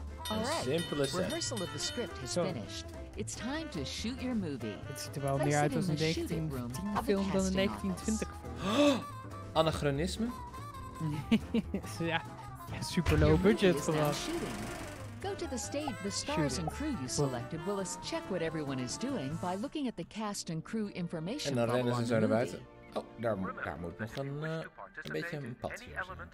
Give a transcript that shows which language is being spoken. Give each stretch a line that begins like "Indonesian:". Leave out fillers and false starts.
Dutch: Een simpele set.
English: Rehearsal of the script is finished. It's time to shoot your movie.
Dutch: Het ziet er wel meer uit als een 1910 film dan een 1920 film. Oh, anachronisme? Ja, super low budget vooral.
English: Go to the stage. The stars and crew you selected will check what everyone is doing by looking at the cast and crew information.
Dutch: En dan rennen ze zo naar buiten. Oh, daar moet nog een beetje een pad hier.